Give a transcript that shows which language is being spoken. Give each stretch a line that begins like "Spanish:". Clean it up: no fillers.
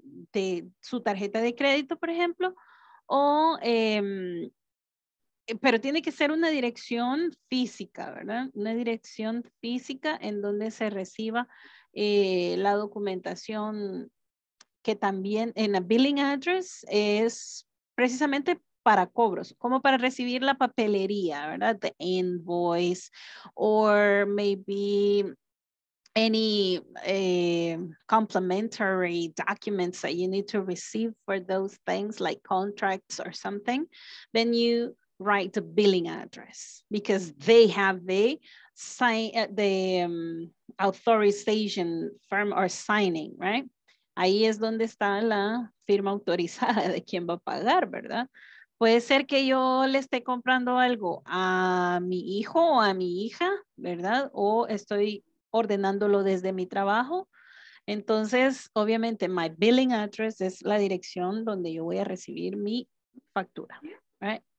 Spanish: De su tarjeta de crédito, por ejemplo. Pero tiene que ser una dirección física, ¿verdad? Una dirección física en donde se reciba la documentación, que también en la billing address es precisamente para cobros, como para recibir la papelería, ¿verdad?
English: The invoice, or maybe any complimentary documents that you need to receive for those things, like contracts or something, then you write the billing address because they have the sign, the authorization firm or signing, right?
Spanish: Ahí es donde está la firma autorizada de quien va a pagar, ¿verdad? Puede ser que yo le esté comprando algo a mi hijo o a mi hija, ¿verdad? O estoy ordenándolo desde mi trabajo. Entonces, obviamente,
English: my billing address
Spanish: es la dirección donde yo voy a recibir mi factura, right?